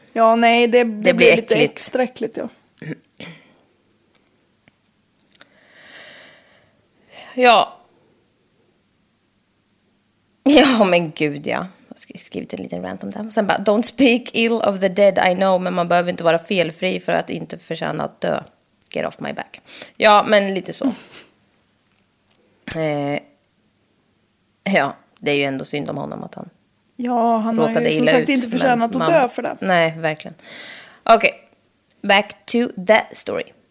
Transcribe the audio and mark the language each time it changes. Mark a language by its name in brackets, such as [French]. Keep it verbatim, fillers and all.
[Swedish] Ja, nej, det, det, det blir, blir äckligt. Lite extra äckligt, ja. Ja. Ja, men gud, ja. Jag har skrivit en liten rant om det. Sen bara, [English] don't speak ill of the dead I know. [Swedish] Men man behöver inte vara felfri för att inte förtjäna att dö. [English] Get off my back. [Swedish] Ja, men lite så. Eh, ja, det är ju ändå synd om honom att han... Ja, han har ju som sagt ut, inte förtjänat att dö för det. Nej, verkligen. Okej, okay. [English] Back to the story.